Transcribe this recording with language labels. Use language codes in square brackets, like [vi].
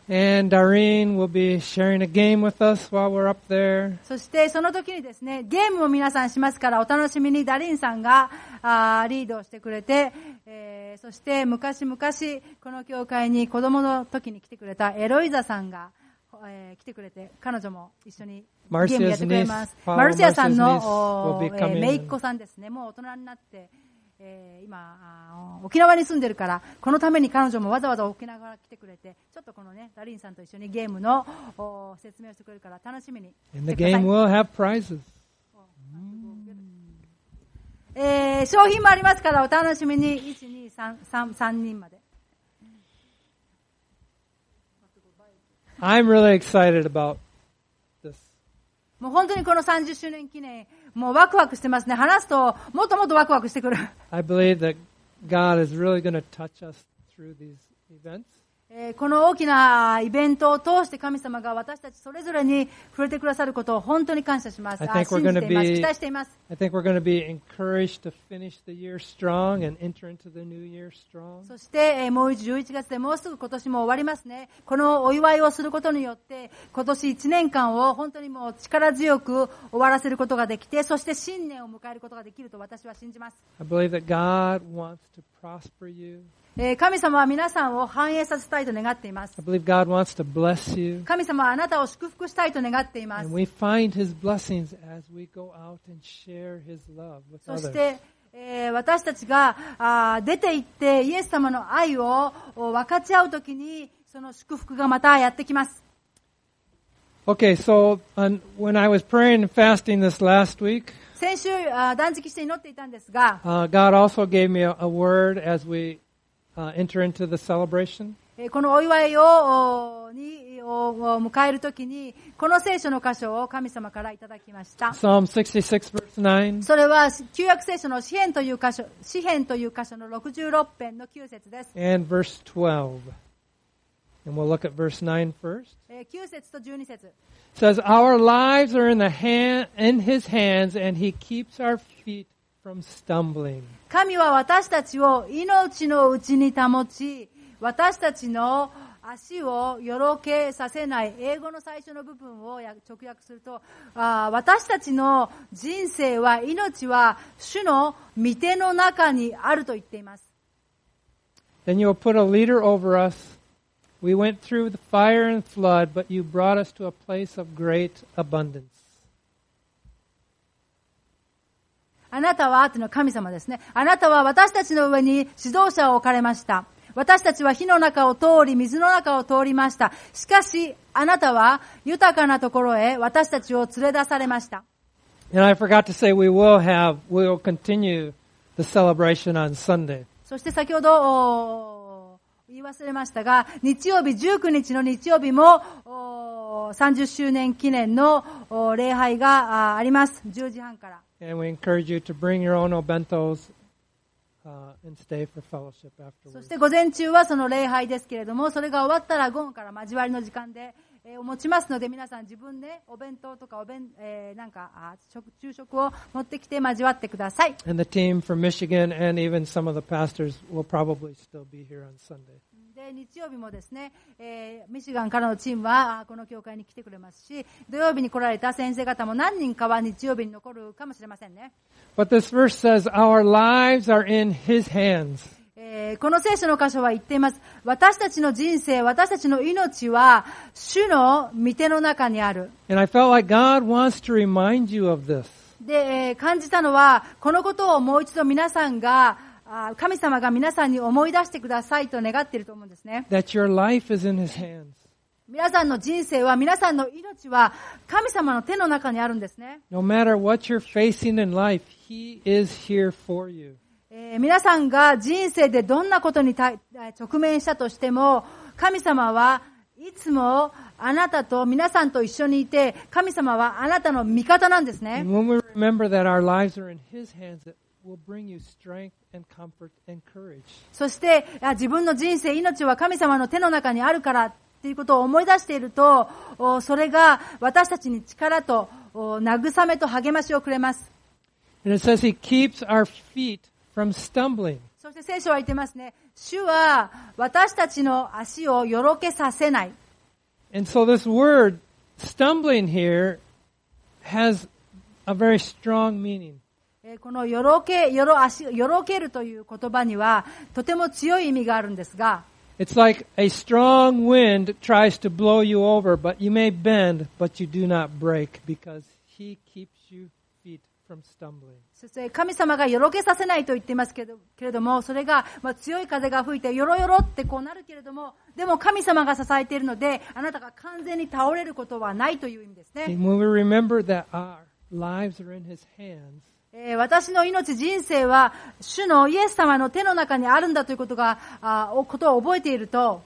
[en] And Doreen will be sharing a game with us while we're up there. [ja] そしてその時にですね、ゲームを皆さんしますから、お楽しみにダリンさんがリードをしてくれて、そして昔々この教会に子供の時に来てくれたエロイザさんが、来てくれて、彼女も一緒にゲームやってくれます。マルシアさんのメイッコさんですね、もう大人になって、今沖縄に住んでるから、このために彼女もわざわざ沖縄から来てくれて、ちょっとこのねダリンさんと一緒にゲームの説明をしてくれるから楽しみにしてください。 [en] And the game will have prizes. [ja] 商品もありますからお楽しみに。 1,2,3 人まで。 [en] I'm really excited about this. [ja] もう本当にこの30周年記念、もうワクワクしてますね。話すともっともっとワクワクしてくる。 [en] I believe that God is really going to touch us through these events. [ja] この大きなイベントを通して神様が私たちそれぞれに触れてくださることを本当に感謝します。 [en] I think we're going to be, [ja] 期待しています。 [en] I think we're going to be encouraged to finish the year strong and enter into the new year strong. [ja] そしてもう11月でもうすぐ今年も終わりますね。このお祝いをすることによって今年1年間を本当にもう力強く終わらせることができて、そして新年を迎えることができると私は信じます。 [en] I believe that God wants to prosper you. [ja] 神様は皆さんを繁栄させたいと願っています。 [en] I believe God wants to bless you. [ja] 神様はあなたを祝福したいと願っています。 [en] And we find his blessings as we go out and share his love with others. [ja] そして、私たちが出て行ってイエス様の愛を分かち合うときに、その祝福がまたやってきます。 [en] Okay, so when I was praying and fasting this last week, [ja] 先週断食して祈っていたんですが、 [en] God also gave me a word as weenter into the celebration. [ja] このお祝いを迎えるときに、この聖書の箇所を神様からいただきました。 [en] Psalm 66 verse 9. [ja] それは旧約聖書の詩編という箇所の66編の9節です。 [en] And verse 12. And we'll look at verse 9 first. [ja] 9節と12節。 [en] Says, our lives are in his hands, and he keeps our feet. From stumbling. [ja] 神は私たちを命のうちに保ち、私たちの足をよろけさせない。英語の最初の部分を直訳すると、私たちの人生は、命は主の御手の中にあると言っています。 [en] Then you will put a leader over us. We went through the fire and flood, but you brought us to a place of great abundance. [ja] あなたはというのは神様ですね。あなたは私たちの上に指導者を置かれました。私たちは火の中を通り、水の中を通りました。しかし、あなたは豊かなところへ私たちを連れ出されました。 [en] And I forgot to say we will continue the celebration on Sunday. [ja] そして先ほど言い忘れましたが、日曜日、19日の日曜日も30周年記念の礼拝があります。 10時半から。 [en] And we encourage you to bring your own bentos, and stay for fellowship afterwards. [ja] そして午前中はその礼拝ですけれども、それが終わったら午後から交わりの時間で、持ちますので、皆さん自分でお弁当とかお弁、なんか昼食を持ってきて交わってください。 [en] And the team from Michigan and even some of the pastors will probably still be here on Sunday. で [ja] 日曜日もですね、ミシガンからのチームはこの教会に来てくれますし、土曜日に来られた先生方も何人かは日曜日に残るかもしれませんね。 [en] But this verse says our lives are in His hands. [ja] この聖書の箇所は言っています。私たちの人生、私たちの命は主の御手の中にある。 [en] And I felt like God wants to remind you of this. [ja] で、感じたのはこのことをもう一度皆さんが神様が皆さんに思い出してくださいと願っていると思うんですね。 [en] That your life is in His hands. [ja] 皆さんの人生は、皆さんの命は神様の手の中にあるんですね。 [en] No matter what you're facing in life, He is here for you. [ja] 皆さんが人生でどんなことに直面したとしても、神様はいつもあなたと皆さんと一緒にいて、神様はあなたの味方なんですね。 [en] And when we remember that our lives are in His hands, it will bring you strength. And comfort and courage. [ja] そして自分の人生命は神様の手の中にあるからということを思い出していると、それが私たちに力と慰めと励ましをくれます。 [en] And it says he keeps our feet from stumbling. [ja] そして聖書は言ってますね、主は私たちの足をよろけさせない。 [en] And so this word stumbling here has a very strong meaning. [ja] このよろけるという言葉にはとても強い意味があるんですが、 [en] It's like a strong wind tries to blow you over, but you may bend, but you do not break because he keeps your feet from stumbling. [ja] そして神様がよろけさせないと言っていますけれども、それが強い風が吹いてよろよろってこうなるけれども、でも神様が支えているので、あなたが完全に倒れることはないという意味ですね。 [en] When we remember that our lives are in his hands, [ja] 私の命、人生は主のイエス様の手の中にあるんだということが、ことを覚えていると、